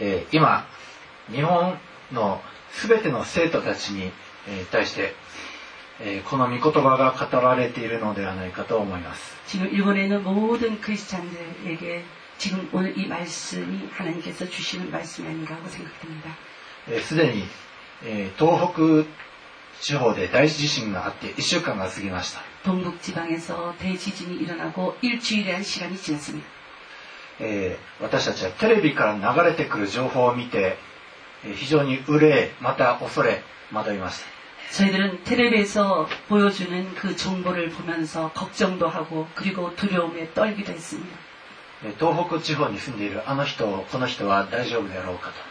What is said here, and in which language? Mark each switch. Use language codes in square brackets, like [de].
[ja] 今日本のすべての生徒たちに対してこの御言葉が語られているのではないかと思います。今日本の [ko] 모든クリスチャン들에게지금오늘이말씀이하나님께서주시는말씀이아닌가고생각됩니다。 [ja] すでに東北地方で大地震があって1週間が過ぎました。 [ko] 동북지방에서대지진이일어나고일주일의시간이지났습니다。 [ja] 私たちはテレビから流れてくる情報を見て非常に憂え、また恐れ惑いました。 [ko] 저희들은テレビ에서보여주는그정보를보면서걱정도하고그리고두려움에떨기도했습니다。 [ja] 東北地方に住んでいるあの人、この人は大丈夫であろうかと。